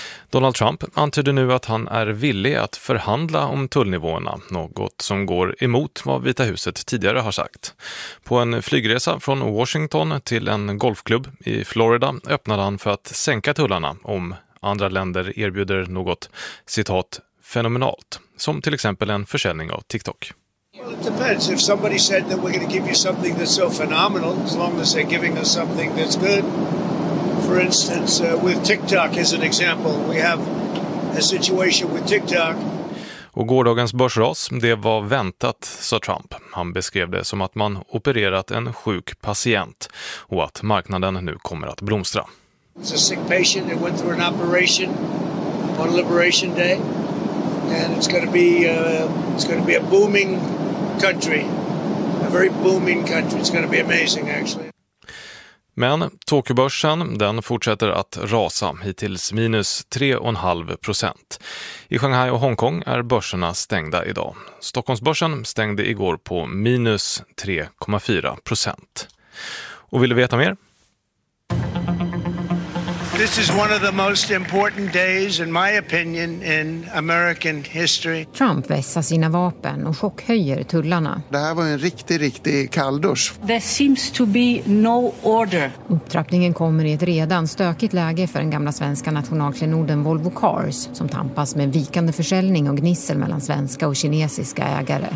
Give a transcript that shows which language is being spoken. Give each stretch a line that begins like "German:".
Swedish: Donald Trump antyder nu att han är villig att förhandla om tullnivåerna, något som går emot vad Vita huset tidigare har sagt. På en flygresa från Washington till en golfklubb i Florida öppnade han för att sänka tullarna om andra länder erbjuder något, citat, fenomenalt, som till exempel en försäljning av TikTok.
English: Well, it depends. If somebody said that we're going to give you something that's so phenomenal, as long as they're giving us something that's good. For instance, with TikTok as an example, we have a situation with TikTok.
Swedish: Och gårdagens börsras, det var väntat, sa Trump. Han beskrev det som att man opererat en sjuk patient och att marknaden nu kommer att blomstra.
English: It's a sick patient that went through an operation on Liberation Day. And it's going to be a booming country, a very booming country. It's going to be amazing, actually.
Swedish: Men Tokyobörsen, den fortsätter att rasa, hittills minus 3,5%. I Shanghai och Hongkong är börserna stängda idag. Stockholmsbörsen stängde igår på minus 3,4%. Och vill du veta mer?
English: This is one of the most important days in my opinion in American history.
Swedish: Trump vässar sina vapen och chockhöjer tullarna. Det här var en riktig kalldusch.
English: There seems to be no order.
Swedish: Upptrappningen kommer i ett redan stökigt läge för den gamla svenska nationalklenoden Volvo Cars som tampas med vikande försäljning och gnissel mellan svenska och kinesiska ägare.